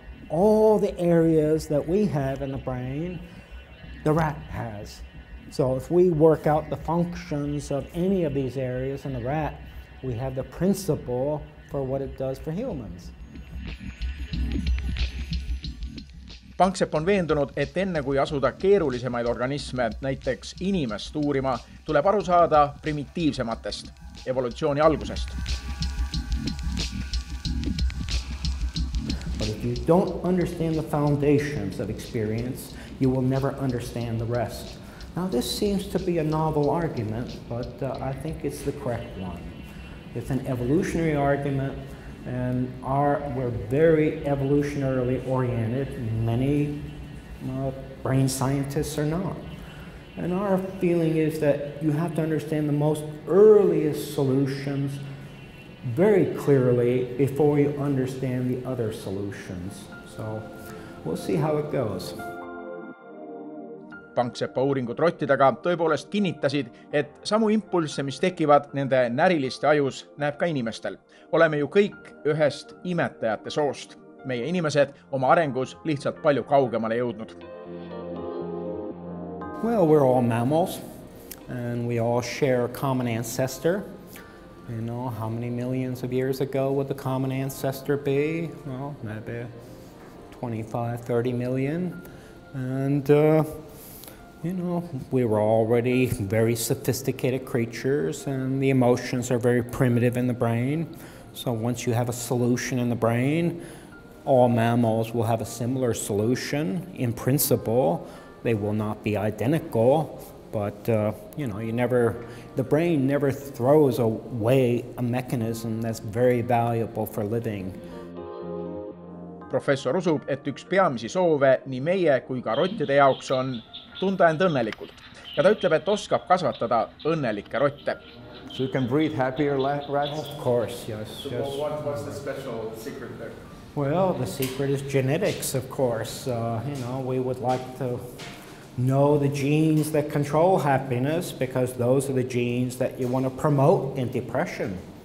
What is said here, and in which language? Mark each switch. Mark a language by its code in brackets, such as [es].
[en] All the areas that we have in the brain, the rat has. So if we work out the functions of any of these areas in the rat, we have the principle for what it does for humans. [et] Panksepp on veendunud, et enne kui asuda keerulisemaid organisme, näiteks inimest uurima, tuleb aru saada primitiivsematest, evolutsiooni algusest. [en] But if you don't understand the foundations of experience, you will never understand the rest. Now this seems to be a novel argument, but I think it's the correct one. It's an evolutionary argument, and we're very evolutionarily oriented. Many brain scientists are not. And our feeling is that you have to understand the most earliest solutions very clearly before you understand the other solutions. So we'll see how it goes. [et] Panksepa uuringud rottidega tõepoolest kinnitasid, et samu impulse, mis tekivad nende näriliste ajus, näeb ka inimestel. Oleme ju kõik ühest imetajate soost. Meie inimesed oma arengus lihtsalt palju kaugemale jõudnud. [en] Well, we're all mammals and we all share a common ancestor. You know, how many millions of years ago would the common ancestor be? Well, maybe 25-30 million. You know, we were already very sophisticated creatures and the emotions are very primitive in the brain. So once you have a solution in the brain, all mammals will have a similar solution. In principle, they will not be identical, but the brain never throws away a mechanism that's very valuable for living. [et] Professor usub, et üks peamisi soove nii meie kui ka rottide jaoks on tunda end õnnelikult. Ja ta ütleb, et oskab kasvatada õnnelike rotte. [en] So you can breed happier rats? Of course, yes. So yes. What's the special secret there? Well, the secret is genetics, of course. We would like to know the genes that control happiness because those are the genes that you want to promote in depression.